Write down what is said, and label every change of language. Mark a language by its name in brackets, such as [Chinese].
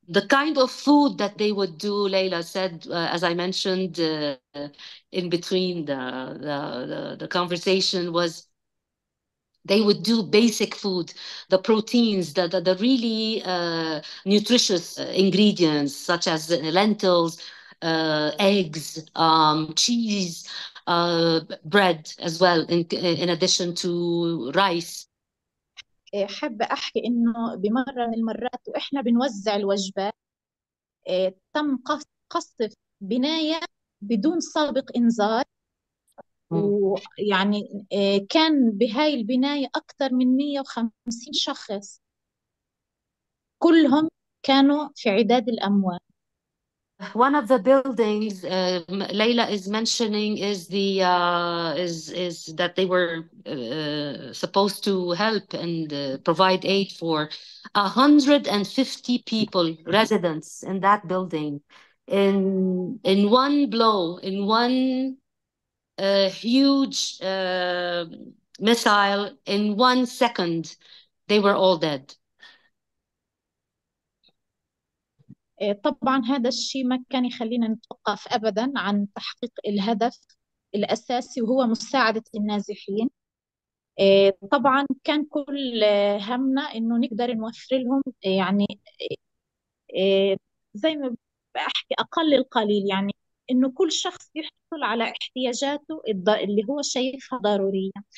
[English] The kind of food that they would do, Leila said, as I mentioned in between the conversation, was they would do basic food, the proteins, the really nutritious ingredients, such as lentils, eggs, cheese, bread as well, in addition to rice. [Arabic] حابة أحكي إنه بمرة من المرات وإحنا بنوزع الوجبات تم قصف بناية بدون سابق إنذار، ويعني كان بهاي البناية أكثر من 150 شخص، كلهم كانوا في عداد الأموات. [English] One of the buildings Leila is mentioning is the is that they were supposed to help and provide aid for 150 people, residents in that building, in one blow, in one huge missile, in 1 second, they were all dead. [Arabic] طبعا هذا الشيء ما كان يخلينا نتوقف أبدا عن تحقيق الهدف الأساسي وهو مساعدة النازحين. طبعا كان كل همنا إنه نقدر نوفر لهم يعني زي ما بحكي أقل القليل، يعني إنه كل شخص يحصل على احتياجاته اللي هو شايفها ضرورية.